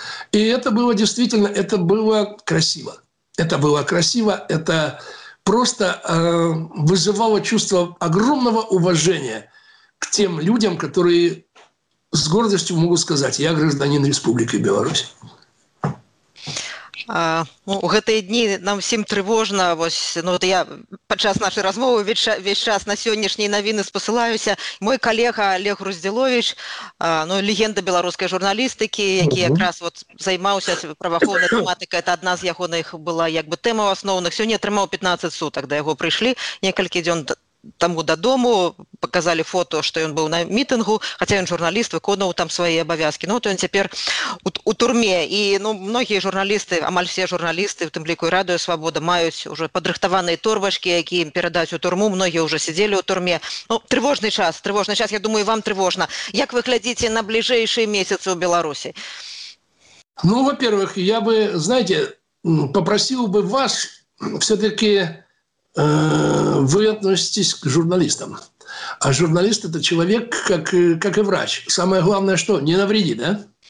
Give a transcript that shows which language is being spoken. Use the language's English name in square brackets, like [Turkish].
[Russian] И это было действительно, это было красиво. Это было красиво, это... просто вызывало чувство огромного уважения к тем людям, которые с гордостью могут сказать: «Я гражданин Республики Беларусь». [Belarusian] У гэтыя дні нам всім трывожна. Вось, ну, я падчас нашай размовы весь час на сённяшнія навіны спасылаюся. Мой калега Олег Рузделовіч, ну, легенда беларускай журналістыкі, які якраз вот займаўся праваахоўнай тэматыкай, это адна з ягоных была як бы тэма асноўных. Сёння атрымаў 15 сутак, да яго прыйшлі некалькі дзён таму дадому, паказалі фото, што ён быў на мітынгу, хаця ён журналіст, выконаў там свае абавязкі. Ну, то ён цяпер у турме. І, ну, многія журналісты, амаль все журналісты, у тым ліку і Радыё Свабода, маюць уже падрыхтаваныя торбачкі, які ім перадаць у турму. Многія уже сидзелі у турме. Ну, трывожны час, трывожны час. Я думаю, вам трывожна. Як вы глядзіце на бліжэйшыя месяцы ў Беларусі? [Russian] Ну, во-первых, я бы, знаете, попросил бы вас все-таки вы относитесь к журналистам. А журналист – это человек, как и врач. Самое главное, что не навреди, да?